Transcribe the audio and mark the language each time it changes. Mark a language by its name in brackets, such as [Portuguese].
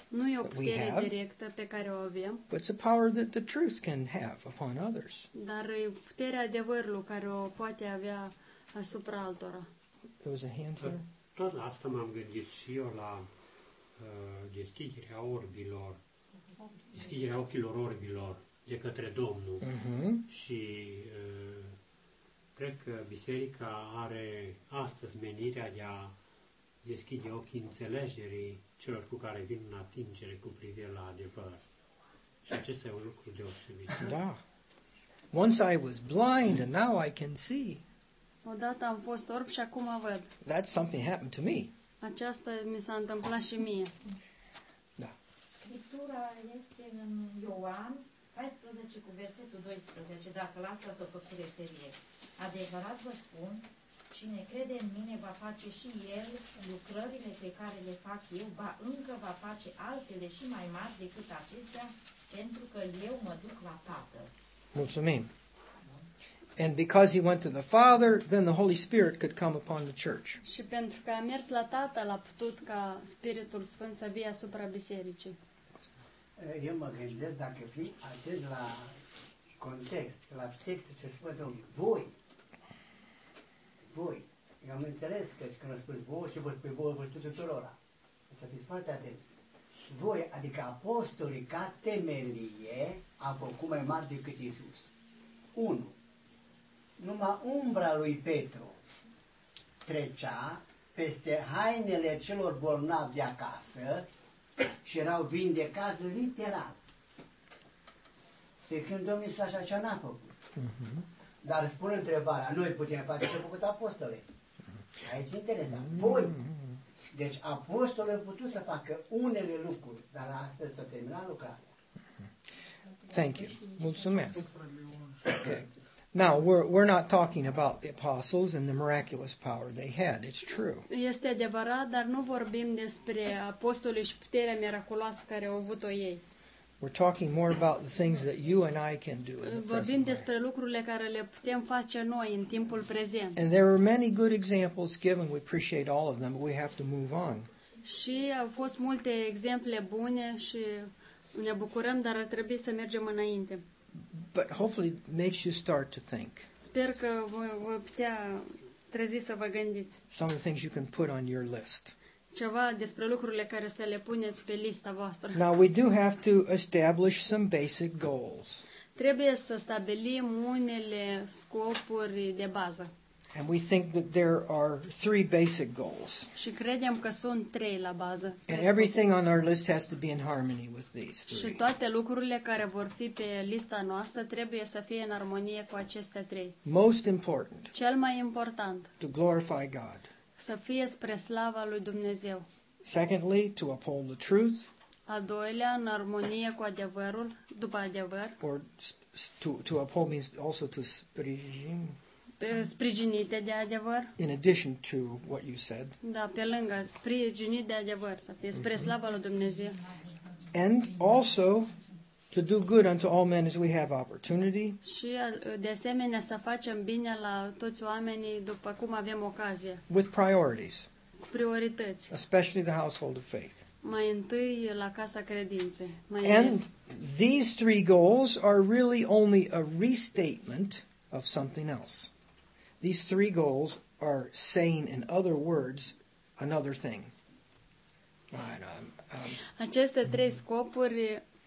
[Romanian] Nu e o putere directă pe care o avem. [English] But it's a power that the truth can have upon others. [Romanian] Dar e puterea adevărului care o poate avea asupra altora. [English] There was a hand here. [Romanian] Tot la asta m-am gândit și eu la deschiderea orbilor. Deschiderea ochilor orbilor de către Domnul. Și cred că biserica are astăzi menirea de a deschide ochii înțelegerii celor cu care vin în atingere cu privire la adevăr. Și acesta e un lucru deosebit. Da. [English] Once I was blind and now I can see. [Romanian] Odată am fost orb și acum văd. [English] That's something happened to me. [Romanian] Aceasta mi s-a întâmplat și mie. Da. Scriptura este în Ioan 14 cu versetul 12, dacă la asta s-a făcut referire. Adevărat vă spun, cine crede în mine va face și el lucrările pe care le fac eu, ba încă va face altele și mai mari decât acestea, pentru că eu mă duc la Tatăl. Mulțumim. [English] And because he went to the Father, then the Holy Spirit could come upon the church. [Romanian] Și pentru că a mers la Tatăl, a putut ca Spiritul Sfânt să vie asupra bisericii. Eu mă gândesc, dacă fii atent la context, la textul ce spune Domnul, voi, eu am înțeles că și când a spus voi și vă spui voi, vă spui tuturora, să fiți foarte atenți. Voi, adică apostolii, ca temelie, a făcut mai mare decât Iisus. Unu, numai umbra lui Petru trecea peste hainele celor bolnavi de acasă, și erau vindecați literal. Pe când Domnul Iisus așa ce n-a făcut. Mm-hmm. Dar îți pun întrebarea, noi putem face ce a făcut apostole. Aici e interesant. Voi. Deci apostole au putut să facă unele lucruri, dar astăzi s-a terminat lucrarea. [English] Thank you. [Romanian] Mulțumesc. [English] Okay. Now, we're not talking about the apostles and the miraculous power they had. It's true. [Romanian] Este adevărat, dar nu vorbim despre apostolii și puterea miraculoasă care au avut-o ei. [English] We're talking more about the things that you and I can do in the present. [Romanian] Vorbim despre lucrurile care le putem face noi în timpul prezent. [English] And there are many good examples given. We appreciate all of them, but we have to move on. [Romanian] Și au fost multe exemple bune și ne bucurăm, dar ar trebui să mergem înainte. [English] But hopefully it makes you start to think. [Romanian] Sper că vă putea trezi să vă gândiți. [English] Some of the things you can put on your list. [Romanian] Ceva despre lucrurile care să le puneți pe lista voastră. [English] Now we do have to establish some basic goals. [Romanian] Trebuie să stabilim unele scopuri de bază. [English] And we think that there are three basic goals. [Romanian] Și credem că sunt trei la bază. [English] And everything on our list has to be in harmony with these three. [Romanian] Și toate lucrurile care vor fi pe lista noastră trebuie să fie în armonie cu aceste trei. [English] Most important. [Romanian] Cel mai important. [English] To glorify God. [Romanian] Să fie spre slava lui Dumnezeu. [English] Secondly, to uphold the truth. [Romanian] A doilea, în armonie cu adevărul, după adevăr. [English] Or to uphold means also to [Romanian] sprijin. Sprijinite de adevăr. [English] In addition to what you said. [Romanian] Da, pe lângă, sprijinit de adevăr, să fie spre slava lui Dumnezeu. [English] And also to do good unto all men as we have opportunity. [Romanian] Și de asemenea să facem bine la toți oamenii după cum avem ocazie. [English] With priorities. [Romanian] Cu priorități. [English] Especially the household of faith. [Romanian] Mai întâi la casa credinței. Mai [English] And [Romanian] ales. [English] These three goals are really only a restatement of something else. These three goals are saying, in other words, another thing. Right, [Romanian] aceste trei scopuri.